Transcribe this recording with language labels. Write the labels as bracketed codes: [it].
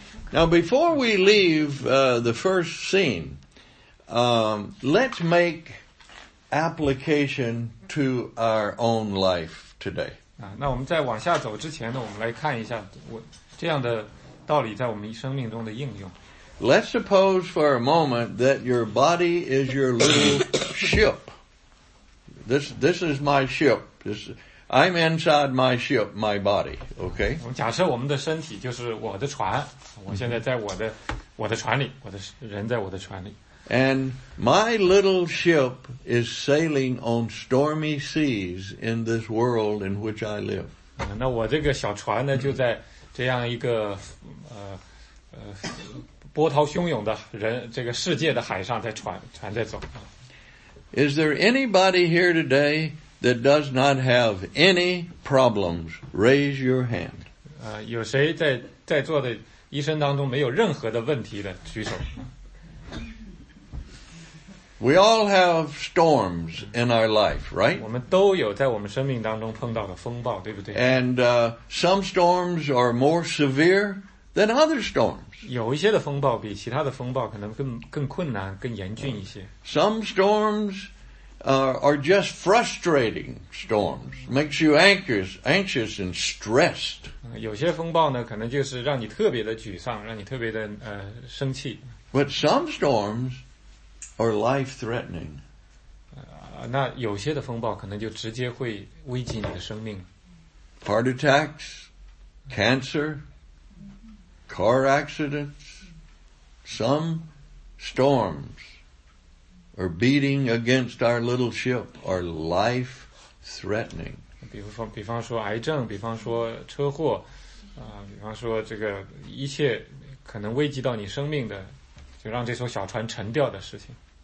[en] Now, before we leave the first scene, let's make application to our own life today. [zh] 那我们在往下走之前呢，我们来看一下我这样的道理在我们生命中的应用。 [en] Let's suppose for a moment that your body is your little ship. This is my ship. I'm inside my ship, my body. Okay. [zh] 我们假设我们的身体就是我的船，我现在在我的船里，我的人在我的船里。 [en] And my little ship is sailing on stormy seas in this world in which I live. [zh] 那我这个小船呢，就在这样一个波涛汹涌的人这个世界的海上在船在走。 [en] Is there anybody here today that does not have any problems? Raise your hand. [zh] 有谁在座的医生当中没有任何的问题的？举手。 [en] We all have storms in our life, right? [zh] 我们都有在我们生命当中碰到的风暴，对不对？ [en] And some storms are more severe than other storms. [zh] 有一些的风暴比其他的风暴可能更困难，更严峻一些。 [en] Some storms are just frustrating storms, makes you anxious and stressed. [zh] 有些风暴呢，可能就是让你特别的沮丧，让你特别的生气。 [en] But some storms. Or life-threatening. [zh] 那有些的风暴可能就直接会危及你的生命。 [en] Heart attacks, cancer, car accidents, some storms are beating against our little ship are life-threatening. [zh] 比方说癌症，比方说车祸，比方说这个一切可能危及到你生命的，就让这艘小船沉掉的事情。